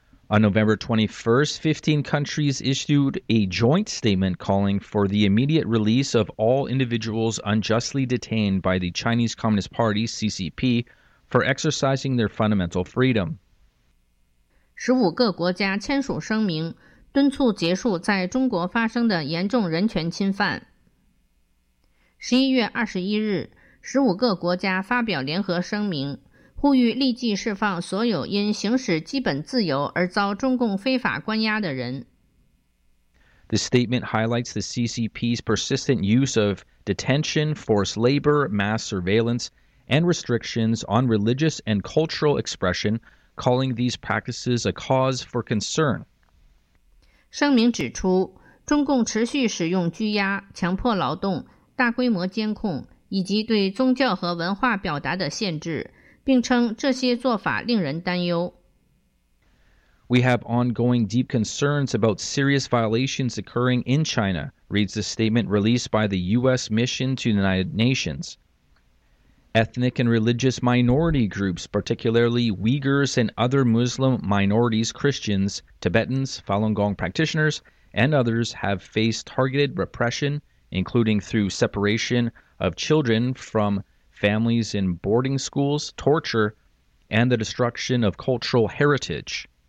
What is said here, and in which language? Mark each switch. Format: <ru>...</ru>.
<en>On November 21st, 15 countries issued a joint statement calling for the immediate release of all individuals unjustly detained by the Chinese Communist Party, CCP, for exercising their fundamental freedom.</en> <zh>15个国家签署声明，敦促结束在中国发生的严重人权侵犯。 11月21日，15个国家发表联合声明，呼吁立即释放所有因行使基本自由而遭中共非法关押的人。</zh> <en>The statement highlights the CCP's persistent use of detention, forced labor, mass surveillance, and restrictions on religious and cultural expression, calling these practices a cause for concern.</en> <zh>声明指出，中共持续使用拘押、强迫劳动、大规模监控以及对宗教和文化表达的限制，并称这些做法令人担忧。</zh> <en>We have ongoing deep concerns about serious violations occurring in China, reads the statement released by the U.S. Mission to the United Nations. Ethnic and religious minority groups, particularly Uyghurs and other Muslim minorities, Christians, Tibetans, Falun Gong practitioners, and others have faced targeted repression, including through separation of children from families in boarding schools, torture, and the destruction of cultural heritage.</en>